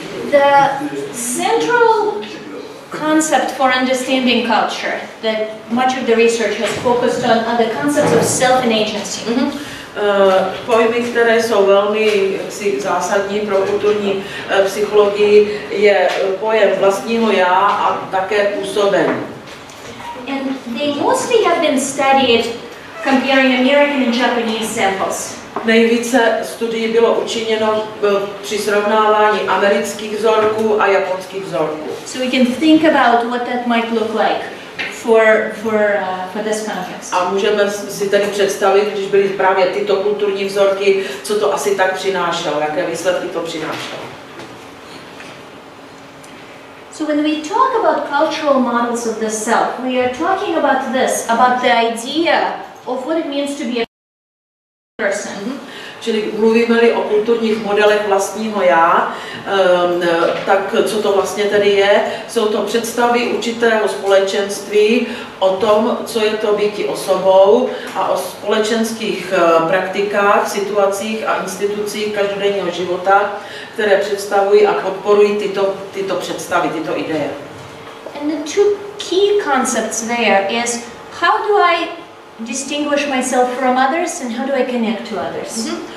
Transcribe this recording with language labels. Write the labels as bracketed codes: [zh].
[en] The central concept for understanding culture that much of the research has focused on are the concepts of self and agency. [cs] Pojmy, které jsou velmi zásadní pro kulturní psychologii, je pojem vlastního já a také působení. [en] And they mostly have been studied comparing American and Japanese samples. [cs] Nejvíce studií bylo učiněno při srovnávání amerických vzorků a japonských vzorků. [en] So we can think about what that might look like for this context. [cs] A můžeme si tady představit, když byly právě tyto kulturní vzorky, co to asi tak přinášelo, jaké výsledky to přinášelo. [en] So when we talk about cultural models of the self, we are talking about this, about the idea of what it means to be a person. [cs] Čili mluvíme-li o kulturních modelech vlastního já, tak co to vlastně tedy je? Jsou to představy určitého společenství o tom, co je to být osobou a o společenských praktikách, situacích a institucích každodenního života, které představují a podporují tyto představy, tyto ideje. [en] And the two key concepts there is how do I distinguish myself from others and how do I connect to others?